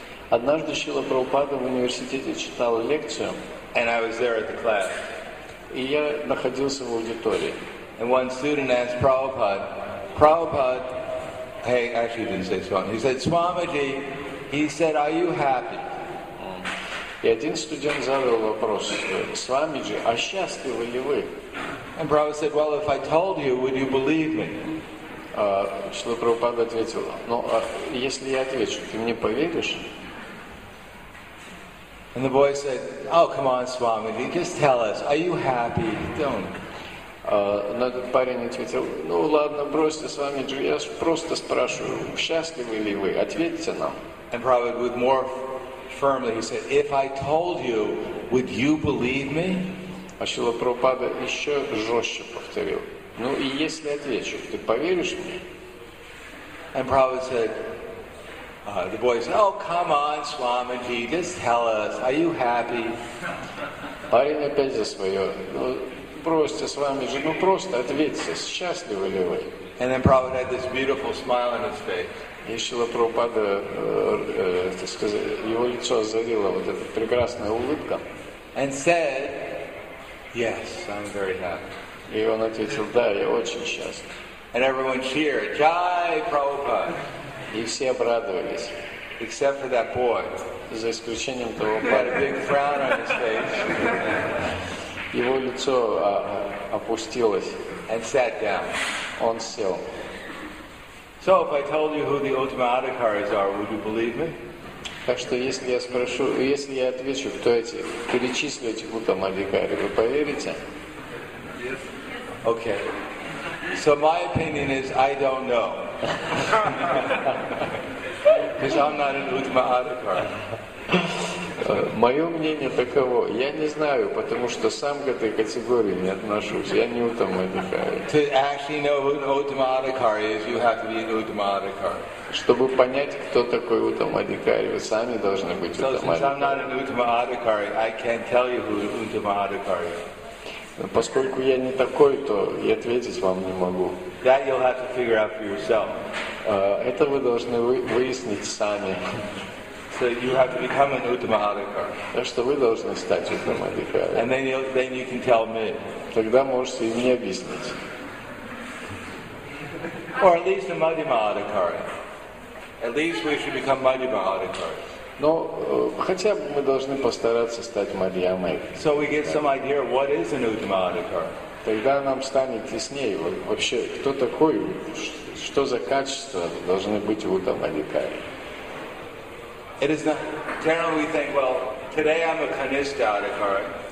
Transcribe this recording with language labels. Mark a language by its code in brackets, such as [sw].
[ru] Однажды Шрила Прабхупада в университете читал лекцию. [en] And I was there at the class. [ru] И я находился в аудитории. [en] And one student asked Prabhupada, Prabhupada, hey, actually he didn't say Swamiji. He said, Swamiji, he said, are you happy? [ru] И один студент задал вопрос, Свамиджи, а счастливы ли вы? [en] And Prabhupada said, well, if I told you, would you believe me? [ru] Шрила Прабхупада ответил, ну, если я отвечу, ты мне поверишь? [en] And the boy said, oh, come on, Swamiji, just tell us, are you happy? Don't. [ru] Но этот парень ответил, ну ладно, бросьте, Свамиджи, я просто спрашиваю, счастливы ли вы? Ответьте нам. [en] And Prabhupada with more firmly, he said, if I told you, would you believe me? [ru] А Шрила Прабхупада еще жестче повторил, ну и если отвечу, ты поверишь мне? [en] And Prabhupada said, the boy said, oh, come on, Swamiji, just tell us, are you happy? [ru] Парень опять за свое, ну, бросьте, Свамиджи, ну просто ответьте, счастливы ли вы? [en] And then Prabhupada had this beautiful smile on his face. [ru] И Шрила Прабхупада, так сказать, его лицо озарило вот эта прекрасная улыбка. [en] And said, yes, I'm very happy. [ru] И он ответил, да, я очень счастлив. [en] And everyone cheered, Jai Prabhupada. [ru] И все обрадовались. [en] Except for that boy. [ru] За исключением того парня. [en] He had a big frown on his face. [ru] Его лицо опустилось. [en] And sat down. [ru] Он сел. [en] So if I told you who the Uttama Adhikaris are, would you believe me? [ru] Так что если я спрошу, если я отвечу, кто эти, перечислю этих Uttama Adhikari, вы поверите? [en] Yes. Okay. So my opinion is I don't know. Because I'm not an Uttama Adhikari. [ru] Мое мнение таково. Я не знаю, потому что сам к этой категории не отношусь. Я не Uttama Adhikari. [en] To actually know who an Uttama Adhikari is, you have to be an Uttama Adhikari. [ru] Чтобы понять, кто такой Uttama Adhikari, вы сами должны быть Uttama Adhikari. [en] Since I'm not an Uttama Adhikari, I can't tell you who an Uttama Adhikari is. [ru] Поскольку я не такой, то и ответить вам не могу. [en] That you'll have to figure out for yourself. [ru] Это вы должны выяснить сами. [en] So you have to become an Uttama Adhikari. [ru] Так что вы должны стать Uttama Adhikari. [en] And then you can tell me. [ru] Тогда можете и мне объяснить. [en] Or at least a Madhyama Adhikari. At least we should become Madhyama Adhikari. [ru] Но хотя бы мы должны постараться стать Мадьямой. [en] So we get some idea of what is an Uttama Adhikari. [ru] Тогда нам станет яснее вообще, кто такой, что за качества должны быть у Uttama Adhikari. [en] It is not. Generally, we think, well, today I'm a Kanishtha Adhikari.